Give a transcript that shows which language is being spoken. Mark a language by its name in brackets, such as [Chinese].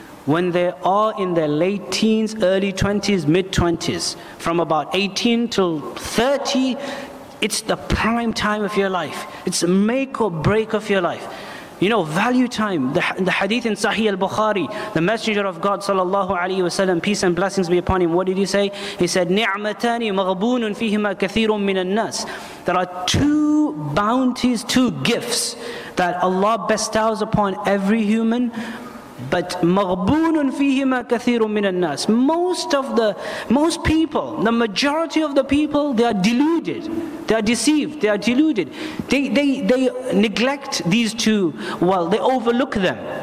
[English] When they are in their late teens, early 20s, mid 20s, from about 18 till 30, it's the prime time of your life. It's a make or break of your life. You know, value time. The hadith in Sahih al-Bukhari, the Messenger of God sallallahu alayhi wasallam, peace and blessings be upon him, what did he say? He said, [Arabic] نِعْمَتَانِ مَغْبُونٌ فِيهِمَا كَثِيرٌ مِّنَ النَّاسِ. [English] There are two bounties, two gifts that Allah bestows upon every human, but [Arabic] مَغْبُونٌ فِيهِمَا كَثِيرٌ مِّنَ النَّاسِ. [English] The majority of the people, they are deluded. They are deceived, they are deluded. They neglect these two, well, they overlook them.